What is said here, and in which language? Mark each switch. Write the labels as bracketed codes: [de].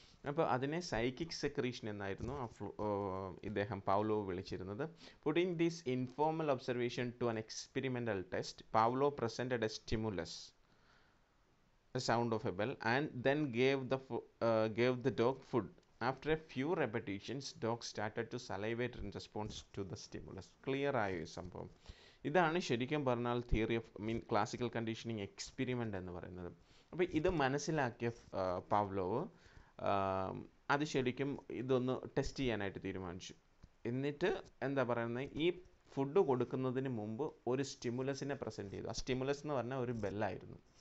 [ml] അപ്പോൾ അതിനെ psychic secretion എന്നായിരുന്നു ഇദ്ദേഹം പാവ്ലോ വിളിച്ചിരുന്നത്. [en] Putting these informal observation to an experimental test, പാവ്ലോ presented A stimulus A sound of A bell and then gave the dog food. After a few repetitions, dog started to salivate in response to the stimulus. [ml] Clear ആയോ ഈ സംഭവം? ഇതാണ് ശരിക്കും പറഞ്ഞാൽ theory of mean classical conditioning experiment എന്ന് പറയുന്നത്. അപ്പോൾ ഇത് മനസ്സിലാക്കിയ പാവ്ലോവ് അത് ശരിക്കും ഇതൊന്ന് ടെസ്റ്റ് ചെയ്യാനായിട്ട് തീരുമാനിച്ചു. എന്നിട്ട് എന്താ പറയുന്നത്, ഈ ഫുഡ് കൊടുക്കുന്നതിന് മുമ്പ് ഒരു സ്റ്റിമുലസിനെ പ്രസൻറ്റ് ചെയ്തു. ആ സ്റ്റിമുലസ് എന്ന് പറഞ്ഞാൽ ഒരു ബെല്ലായിരുന്നു.